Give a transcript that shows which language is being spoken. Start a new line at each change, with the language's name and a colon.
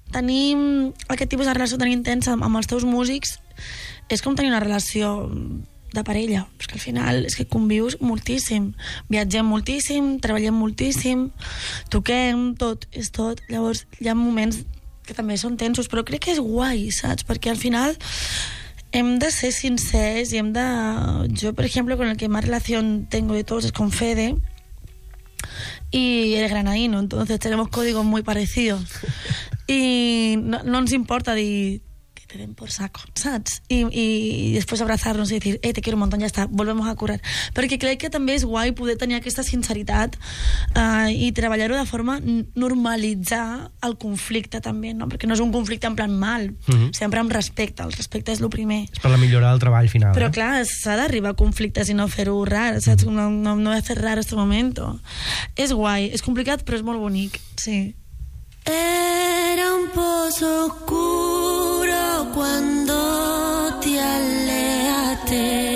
Catalan: Tenir aquest tipus de relació tan intensa amb els teus músics és com tenir una relació de parella. És que al final és que convius moltíssim. Viatgem moltíssim, treballem moltíssim, toquem, tot, és tot. Llavors hi ha moments que també són tensos, però crec que és guai, saps? Perquè al final hem de ser sincers i hem de... Jo, per exemple,
Spanish: con el que más relación tengo de todos es con Fede, y el granadino, entonces tenemos códigos muy parecidos y no nos importa de que te den por saco, ¿saps? Y después abrazarnos y decir, te quiero un montón, ya está, volvemos a currar, porque creo que también es guay poder tener esta sinceridad y trabajarlo de forma normalizar el conflicte también, ¿no? Porque no es un conflicte en plan mal, siempre
Catalan: amb respecte, el respecte és lo primer.
Spanish: Es para millorar el treball final.
Catalan: Però clar, s'ha d'arribar a conflictes i no fer-ho rar, ¿saps? No fer rar
Spanish: este momento.
Catalan: És guai, és complicat, però és molt bonic, sí.
Spanish: Era un pozo oscuro cuando te alejaste.